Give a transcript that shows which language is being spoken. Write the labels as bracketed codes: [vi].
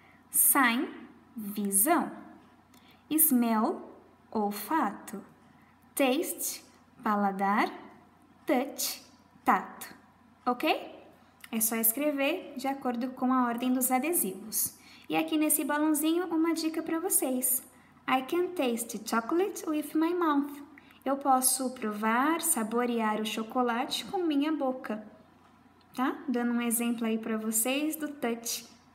[pt] Sight, visão. Smell, olfato. Taste, paladar. Touch, tato. Ok? É só escrever de acordo com a ordem dos adesivos. E aqui nesse balãozinho, uma dica para vocês. [en] I can taste chocolate with my mouth. [pt] Eu posso provar, saborear o chocolate com minha boca. Tá? Dando um exemplo aí para vocês do touch.